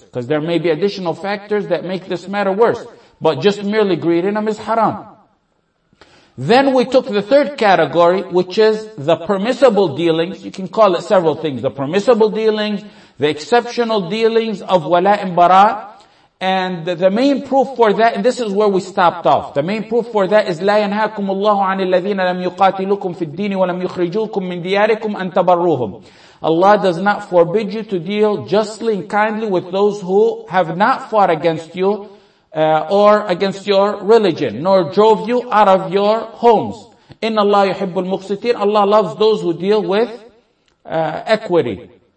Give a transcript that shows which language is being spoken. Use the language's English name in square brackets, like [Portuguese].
[English] Because there may be additional factors that make this matter worse. But just merely greeting them is haram. Then we took the third category, which is the permissible dealings. You can call it several things. The permissible dealings, the exceptional dealings of Walaa' and Bara'. And the main proof for that, and this is where we stopped off. The main proof for that is, [Arabic] لَا يَنْهَاكُمُ اللَّهُ عَنِ الَّذِينَ لَمْ يُقَاتِلُكُمْ فِي الدِّينِ وَلَمْ يُخْرِجُوكُمْ مِنْ دِيَارِكُمْ أَنْ تَبَرُّوهُمْ. [English] Allah does not forbid you to deal justly and kindly with those who have not fought against you, or against your religion, nor drove you out of your homes. [Arabic] Inna Allah yuhibbu al-muqsitin. [English] Allah loves those who deal with equity.